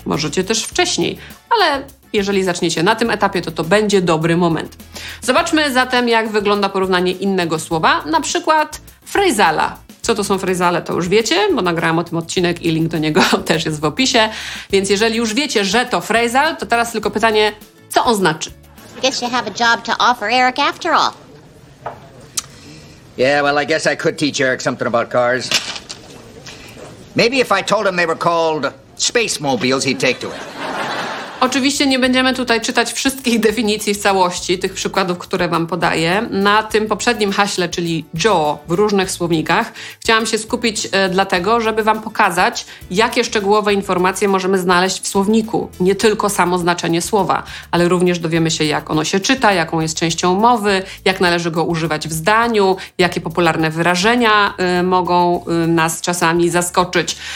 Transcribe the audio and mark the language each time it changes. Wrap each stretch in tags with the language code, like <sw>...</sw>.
<pl>Możecie też wcześniej, ale jeżeli zaczniecie na tym etapie, to to będzie dobry moment. Zobaczmy zatem, jak wygląda porównanie innego słowa, na przykład frazala. Co to są frazale, to już wiecie, bo nagrałam o tym odcinek i link do niego też jest w opisie. Więc jeżeli już wiecie, że to frazal, to teraz tylko pytanie, co on znaczy?</pl> <en>Guess you have a job to offer Eric after all. Yeah, well, I guess I could teach Eric something about cars. Maybe if I told him they were called space mobiles, he'd take to it.</en> <pl>Oczywiście nie będziemy tutaj czytać wszystkich definicji w całości, tych przykładów, które Wam podaję. Na tym poprzednim haśle, czyli jaw w różnych słownikach, chciałam się skupić dlatego, żeby Wam pokazać, jakie szczegółowe informacje możemy znaleźć w słowniku. Nie tylko samo znaczenie słowa, ale również dowiemy się, jak ono się czyta, jaką jest częścią mowy, jak należy go używać w zdaniu, jakie popularne wyrażenia mogą nas czasami zaskoczyć.</pl>